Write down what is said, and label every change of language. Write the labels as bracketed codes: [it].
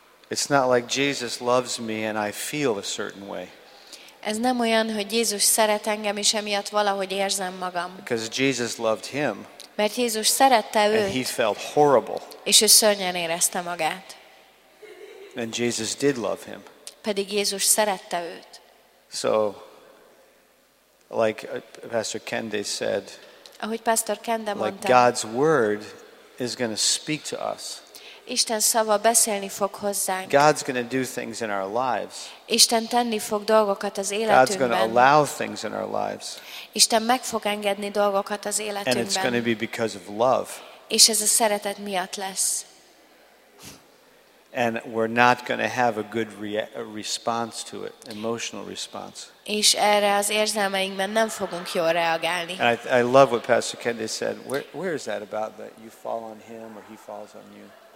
[en] It's not like Jesus loves me and I feel a certain way. [hu] Ez nem olyan, hogy Jézus szeret engem és emiatt valahogy érzem magam. [en] Because Jesus loved him. [hu] Mert Jézus szerette őt. [en] And he felt horrible. [hu] És ő szörnyen érezte magát. [en] And Jesus did love him. [hu] Pedig Jézus szerette őt. [en] So, like Pastor Kende said, [hu] ahogy Pastor Kende [en] like [hu] mondta, [en] God's word is going to speak to us. [hu] Isten szava beszélni fog hozzánk. [en] God's going to do things in our lives. [hu] Isten tenni fog dolgokat az életünkben. [en] God's going to allow things in our lives. [hu] Isten meg fog engedni dolgokat az életünkben. [en] And it's going to be because of love. [hu] És ez a szeretet miatt lesz. [en] and we're not going to have a good response to it, emotional response. [hu] És erre az érzelmeinkben nem fogunk jól reagálni. [en] And I love what Pastor Kendi said. Where is that about that you fall on him or he falls on you?